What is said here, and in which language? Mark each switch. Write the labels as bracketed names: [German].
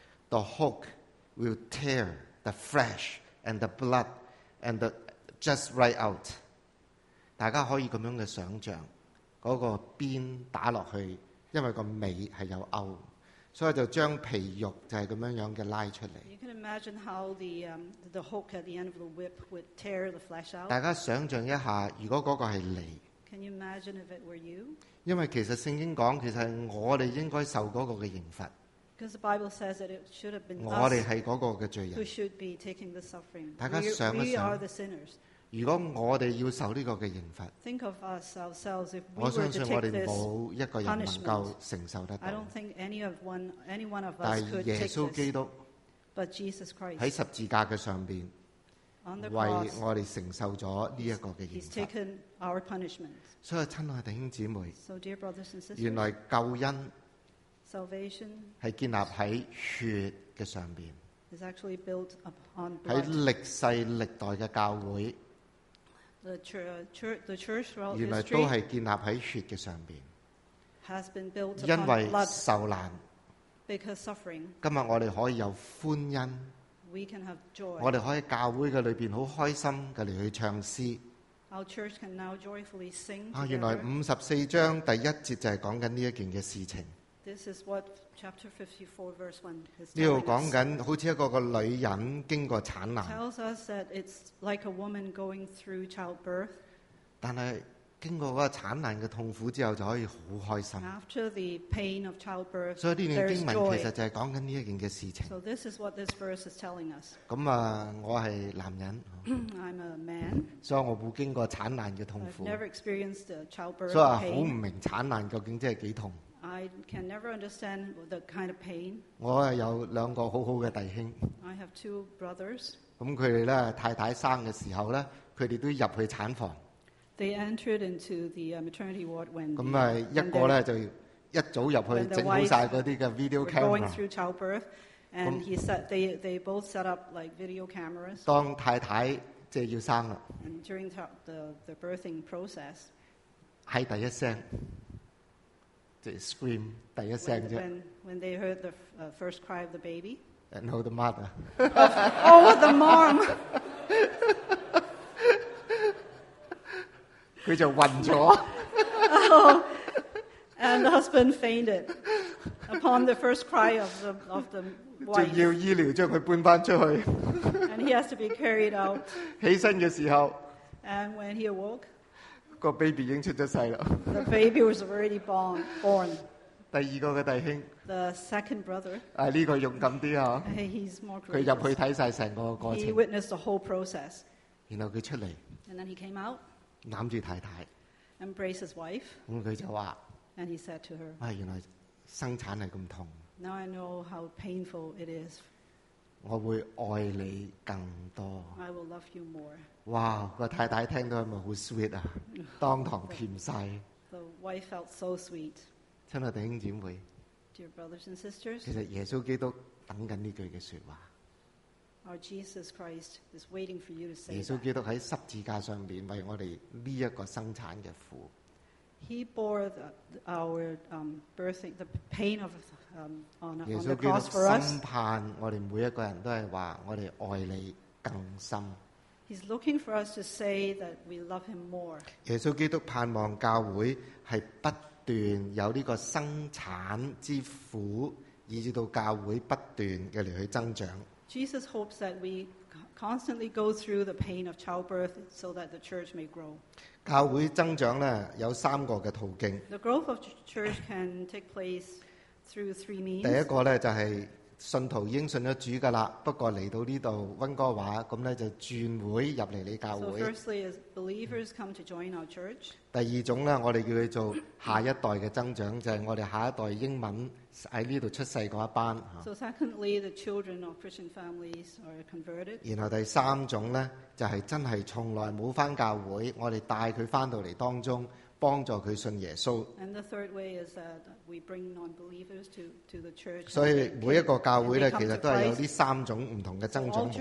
[English] The hook will tear the flesh and the blood and the just right out. [Cantonese] 大家可以咁样嘅想象，嗰个鞭打落去，因为个尾系有勾，所以就将皮肉就系咁样样嘅拉出嚟。 [English] You can imagine how the hook at the end of the whip would tear the flesh out. [Cantonese] 大家想象一下，如果嗰个系你。 [English] Can you imagine if it were you? [Cantonese] 因为其实圣经讲，其实系我哋应该受嗰个嘅刑罚。 [English] Because the Bible says that it should have been us. [Cantonese] 我哋系嗰个嘅罪人。 [English] Who should be taking the suffering? [Cantonese] 大家想一想。 [English] We are the sinners. [Cantonese] 如果我哋要受呢个嘅刑罚。 [English] Think of ourselves if we were to take this punishment. [Cantonese] 我相信我哋冇一个人能够承受得到。 [English] I don't think any one of us could take this. [Cantonese] 但耶稣基督。 [English] But Jesus Christ. [Cantonese] 喺十字架嘅上边。为我哋承受咗呢一个嘅刑罚。 [English] He's taken our punishment. [Cantonese] 所以亲爱弟兄姊妹， [English] so、dear brothers and sisters, [Cantonese] 原来救恩 [English] salvation [Cantonese] 系建立喺血嘅上边。 [English] Is actually built upon blood. [Cantonese] 喺历世历代嘅教会 [English] ，the church throughout history [Cantonese] 原来都系建立喺血嘅上边。 [English] Has been built upon [Cantonese] 因为受难 [English] ，because suffering. [Cantonese] 今日我哋可以有欢欣。 [English] We can have joy. [Cantonese] 我哋可以教会嘅里边好开心嘅嚟去唱诗。 [English] Our church can now joyfully sing. [Cantonese] 啊，原来54章第一节就系讲紧呢一件嘅事情。 [English] This is what chapter 54 verse 1 is. [Cantonese] 呢度讲紧好似一个女人经过产难。 [English] Tells us that it's like a woman going through childbirth. [Cantonese] 但系经过嗰个产难嘅痛苦之后，就可以好开心。 [English] After the pain of childbirth, [Cantonese] 所以呢段经文其实就系讲紧呢一件嘅事情。 [English] So this is what this verse is telling us. [Cantonese] 咁啊，我系男人。 [English] I'm a man. [Cantonese] 所以我冇经过产难嘅痛苦。 [English] I've never experienced the childbirth. [Cantonese] 所以好唔明产难究竟即系几痛。 [English] I can never understand the kind of pain. [Cantonese] 我系有两个好好嘅弟兄。 [English] I have two brothers. [Cantonese] 咁佢哋咧太太生嘅时候咧，佢哋都入去产房。 [English] They entered into the maternity ward when. [Cantonese] 咁啊，一個咧就一早入去整好曬嗰啲嘅 video camera. [English] Going through childbirth, and he said they both set up like video cameras. [Cantonese] 當太太即係要生啦。 [English] And during the birthing process. [Cantonese] 係第一聲，即係 scream 第一聲啫。 [English] When they heard the first cry of the baby. And no, the mother. Oh, the mom. [Cantonese] 佢就暈咗。 [English] And the husband fainted upon the first cry of the wife. [Cantonese] 仲要醫療將佢搬翻出去。 [English] And he has to be carried out. [Cantonese] 起身嘅時候。 [English] And when he awoke. [Cantonese] 個 baby 已經出咗世啦。 [English] The baby was already born. [Cantonese] 第二個嘅弟兄。 [English] The second brother. [Cantonese] 啊，呢個勇敢啲啊。 [English] He's more courageous. [Cantonese] 佢入去睇曬成個過程。 [English] He witnessed the whole process. [Cantonese] 然后他出来 [English] And then he came out. [Cantonese] 揽住太太 [English] Embrace his wife. [Cantonese] 咁佢就话 [English] And he said to her. [Cantonese] 啊，原来生产系咁痛 [English] Now I know how painful it is. [Cantonese] 我会爱你更多 [English] I will love you more. [Cantonese] 哇，个太太听到系咪好 sweet 啊？当堂甜晒 [English] The wife felt so sweet. [Cantonese] 亲爱的弟兄姊妹 [English] Dear brothers and sisters. [Cantonese] 其实耶稣基督等紧呢句嘅说话。 [English] Our Jesus Christ is waiting for you to say. [Cantonese] 耶稣基督喺十字架上边为我哋呢一个生产嘅苦。 [English] He bore the pain of on the cross for us. [Cantonese] 耶稣基督深盼我哋每一个人都系话我哋爱你更深。 [English] He's looking for us to say that we love him more. [Cantonese] 耶稣基督盼望教会系不断有呢个生产之苦，以至到教会不断嘅嚟去增长。 [English] Jesus hopes that we constantly go through the pain of childbirth so that the church may grow. [Cantonese] 教会增长呢，有三个嘅途径。 [English] The growth of church can take place through three means. [Cantonese] 第一个呢，就是信徒应信了主的了，不过来到这里温哥华，咁呢就转会入嚟你教会。 [English] So firstly, as believers come to join our church. [Cantonese] 第二种呢，我哋叫佢做下一代嘅增长，就是我哋下一代英文喺呢度出世嗰一班。 [English] So secondly, the children of Christian families are converted. [Cantonese] 然后第三种呢，就是真系从来冇翻教会，我哋带佢翻到嚟当中。帮助佢信耶稣。 [English] And the third way is that we bring non-believers to the church. [Cantonese] 所以每一个教会咧，其实都系有呢三种唔同嘅增长模式。